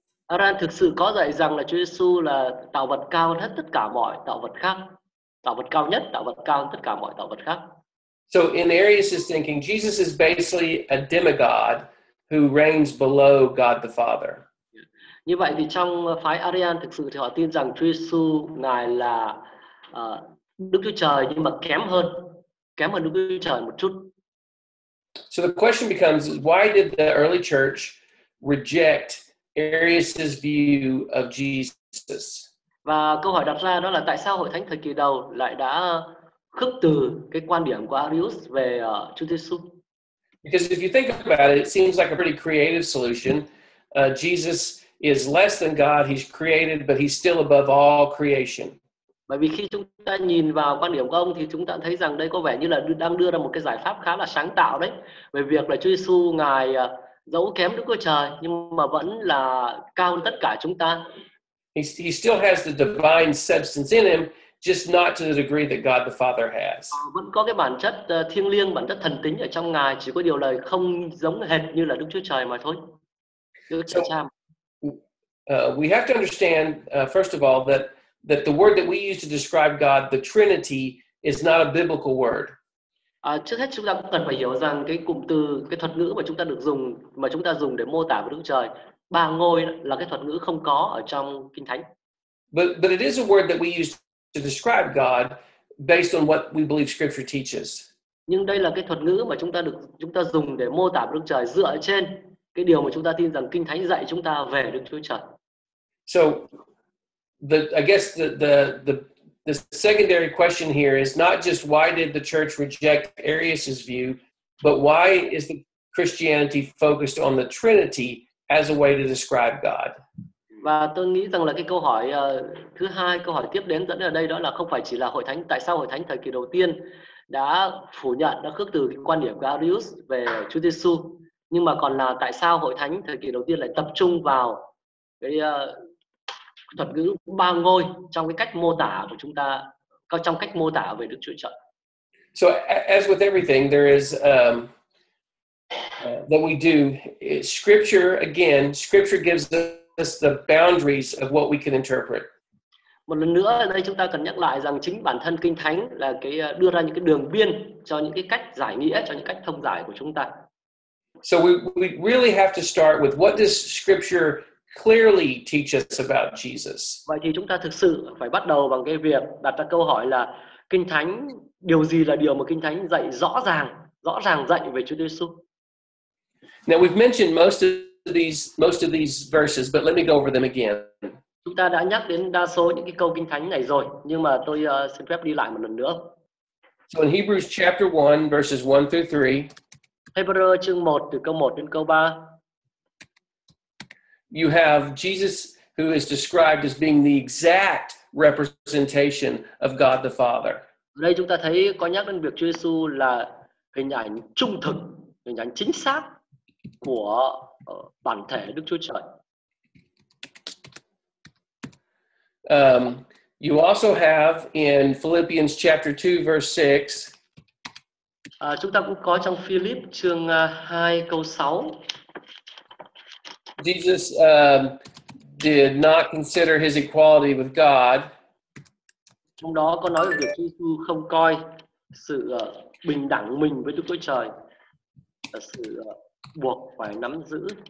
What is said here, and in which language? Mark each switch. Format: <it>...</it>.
<vi>Arian thực sự có dạy rằng là Chúa Giêsu là tạo vật cao hơn tất cả mọi tạo vật khác, tạo vật cao nhất, tạo vật cao hơn tất cả mọi tạo vật khác.</vi> <en>So in Arius's thinking, Jesus is basically a demigod who reigns below God the Father.</en> <vi>Như vậy thì trong phái Arian thực sự thì họ tin rằng Chúa Giêsu ngài là Đức Chúa Trời nhưng mà kém hơn Đức Chúa Trời một chút.</vi> <en>So the question becomes, why did the early church reject Arius's view of Jesus?</en> <vi>Và câu hỏi đặt ra đó là tại sao hội thánh thời kỳ đầu lại đã khước từ cái quan điểm của Arius về Chúa Giêsu?</vi> <en>Because if you think about it, it seems like a pretty creative solution. Jesus is less than God, he's created, but he's still above all creation.</en> <vi>Bởi vì khi chúng ta nhìn vào quan điểm của ông thì chúng ta thấy rằng đây có vẻ như là đang đưa ra một cái giải pháp khá là sáng tạo đấy, về việc là Chúa Giêsu ngài dẫu kém Đức Chúa Trời nhưng mà vẫn là cao hơn tất cả chúng ta.</vi> <en>He still has the divine substance in him, just not to the degree that God the Father has.</en> <vi>Vẫn có cái bản chất thiêng liêng, bản chất thần tính ở trong ngài, chỉ có điều là không giống hệt như là Đức Chúa Trời mà thôi. Đức Chúa Cha.</vi> <en>We have to understand first of all that the word that we use to describe God, the Trinity, is not a biblical word.</en> <vi>Trước hết chúng ta cần phải hiểu rằng cái cụm từ, cái thuật ngữ mà chúng ta được dùng, mà chúng ta dùng để mô tả về Đức Trời, ba ngôi là cái thuật ngữ không có ở trong Kinh Thánh.</vi> <en>But it is a word that we use to describe God based on what we believe Scripture teaches.</en> <vi>Nhưng đây là cái thuật ngữ mà chúng ta dùng để mô tả về Đức Trời dựa trên cái điều mà chúng ta tin rằng Kinh Thánh dạy chúng ta về Đức Chúa Trời.</vi> <en>So I guess the secondary question here is not just why did the church reject Arius's view, but why is the Christianity focused on the Trinity as a way to describe God?</en> <vi>Và tôi nghĩ rằng là cái câu hỏi thứ hai, câu hỏi tiếp đến dẫn ở đây đó là không phải chỉ là hội thánh, tại sao hội thánh thời kỳ đầu tiên đã phủ nhận, đã khước từ cái quan điểm của Arius về Chúa Giêsu, nhưng mà còn là tại sao hội thánh thời kỳ đầu tiên lại tập trung vào cái thuật ngữ ba ngôi trong cái cách mô tả của chúng ta, trong cách mô tả về Đức Chúa Trời.</vi> <en>So as with everything there is that we do, scripture gives us the boundaries of what we can interpret.</en> <vi>Một lần nữa đây chúng ta cần nhắc lại rằng chính bản thân Kinh Thánh là cái đưa ra những cái đường biên cho những cái cách giải nghĩa, cho những cách thông giải của chúng ta.</vi> <en>So we really have to start with what does scripture clearly teach us about Jesus.</en> <vi>Vậy thì chúng ta thực sự phải bắt đầu bằng cái việc đặt ra câu hỏi là Kinh Thánh, điều gì là điều mà Kinh Thánh dạy rõ ràng dạy về Chúa Giêsu.</vi> <en>Now we've mentioned most of these verses, but let me go over them again.</en> <vi>Chúng ta đã nhắc đến đa số những cái câu Kinh Thánh này rồi, nhưng mà tôi xin phép đi lại một lần nữa.</vi> <en>So in Hebrews chapter 1 verses 1 through 3.</en> <vi>Hebrews chương 1 từ câu 1 đến câu 3.</vi> <en>You have Jesus who is described as being the exact representation of God the Father.</en> <vi>Đây chúng ta thấy có nhắc đến việc Chúa Giêsu là hình ảnh trung thực, hình ảnh chính xác của bản thể Đức Chúa Trời.</vi> <en>You also have in Philippians chapter 2 verse 6.</en> <vi>Chúng ta cũng có trong Philip chương 2 câu 6.</vi> <en>Jesus did not consider his equality with God.</en> <vi>Trong đó có nói về việc Jesus không coi sự bình đẳng mình với Đức Chúa Trời là sự buộc phải nắm giữ.</vi>